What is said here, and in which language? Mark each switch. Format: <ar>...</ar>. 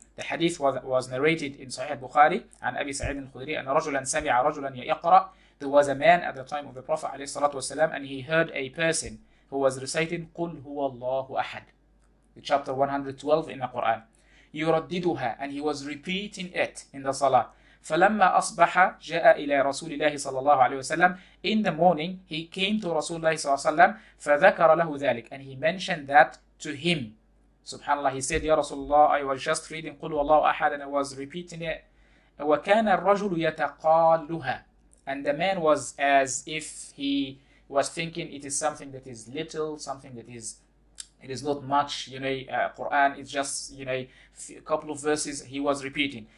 <en>The hadith was narrated in Sahih Bukhari and Abi Sa'id al-Khudri. And</en> <ar>rajulan sami'a rajulan yaqra.</ar> <en>There was a man at the time of the Prophet alayhi salatu wasalam, and he heard a person who was reciting Qul huwa Allahu ahad, the chapter 112 in the Quran. Yuraddiduha, and he was repeating it in the salah.</en> <ar>فلما أصبح جاء إلى رسول الله صلى الله عليه وسلم.</ar> <en>In the morning he came to</en> <ar>رسول الله صلى الله عليه وسلم. فذكر له ذلك,</ar> <en>and he mentioned that to him. Subhanallah, he said,</en> <ar>يا رسول الله,</ar> <en>I was just reading قل والله أحد, and I was repeating it.</en> <ar>وكان الرجل يتقالها,</ar> <en>and the man was as if he was thinking it is something that is little, something that is, it is not much, you know, Quran, it's just, you know, a couple of verses he was repeating.</en>